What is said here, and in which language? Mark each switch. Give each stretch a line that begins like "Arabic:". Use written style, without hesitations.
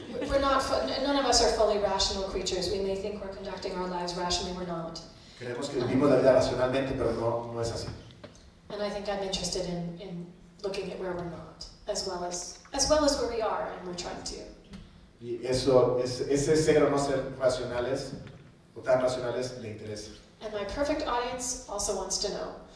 English: We're not, none of us are fully rational creatures. We may think we're conducting our lives rationally, we're not.
Spanish: Creemos que vivimos la vida racionalmente, pero no es así.
English: And I think I'm interested in looking at where we're not, as well as where we are, and we're trying to.
Spanish: Y eso, ese ser o no ser racionales, o tan racionales, le interesa.
English: And my perfect audience also wants to know.